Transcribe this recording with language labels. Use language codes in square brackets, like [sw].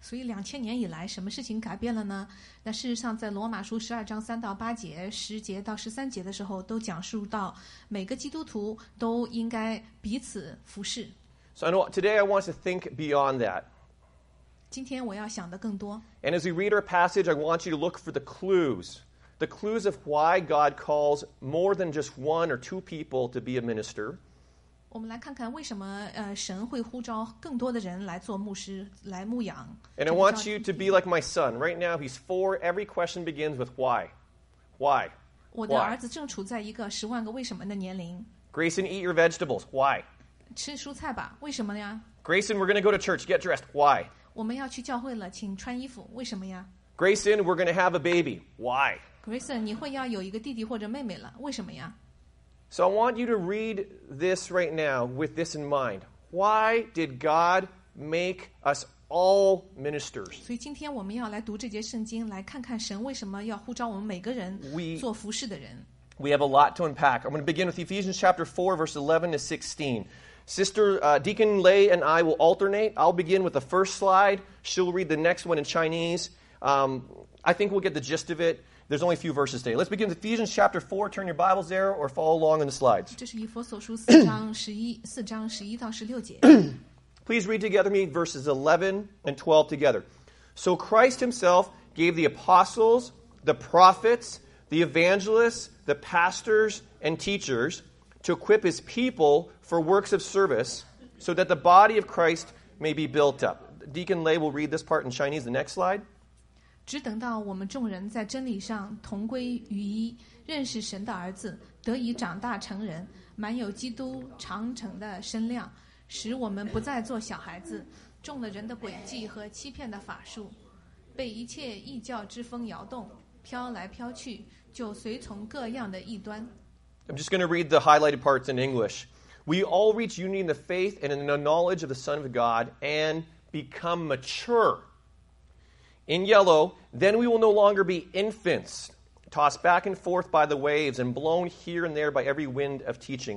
[zh] 所以两千年以来，什么事情改变了呢？那事实上，在罗马书十二章三到八节、十节到十三节的时候，都讲述到每个基督徒都应该彼此服侍。 [en] So I know today I want to think beyond that. [zh] 今天我要想的更多。 [en] And as we read our passage, I want you to look for the clues of why God calls more than just one or two people to be a minister. [zh] 我们来看看为什么神会呼召更多的人来做牧师来牧养。 [en] And I want you to be like my son. Right now he's four. Every question begins with why. Why? [zh] 我的儿子正处在一个十万个为什么的年龄。 [en] Grayson, eat your vegetables. Why? [zh] 吃蔬菜吧。为什么呀？ [en] Grayson, we're going to go to church. Get dressed. Why? [zh] 我们要去教会了，请穿衣服。为什么呀？ [en] Grayson, we're going to have a baby. Why? [zh] Grayson, 你会要有一个弟弟或者妹妹了。为什么呀？ [en] So I want you to read this right now with this in mind. Why did God make us all ministers? [zh] 所以今天我们要来读这节圣经，来看看神为什么要呼召我们每个人做服侍的人。 [en] We have a lot to unpack. I'm going to begin with Ephesians chapter 4, verse 11 to 16. Sister, Deacon Lei and I will alternate. I'll begin with the first slide. She'll read the next one in Chinese. I think we'll get the gist of it. There's only a few verses today. Let's begin with Ephesians chapter 4. Turn your Bibles there or follow along in the slides. [zh] 这是以弗所书4章11到16节。 [en] Please read together me verses 11 and 12 together. So Christ himself gave the apostles, the prophets, the evangelists, the pastors, and teachers to equip his people for works of service so that the body of Christ may be built up. Deacon Lei will read this part in Chinese. The next slide. [zh] 只等到我们众人在真理上同归于一，认识神的儿子，得以长大成人，满有基督长成的身量，使我们不再做小孩子，中了人的诡计和欺骗的法术，被一切异教之风摇动，飘来飘去，就随从各样的异端。 [en] I'm just going to read the highlighted parts in English. We all reach unity in the faith and in the knowledge of the Son of God and become mature. In yellow, then we will no longer be infants, tossed back and forth by the waves and blown here and there by every wind of teaching.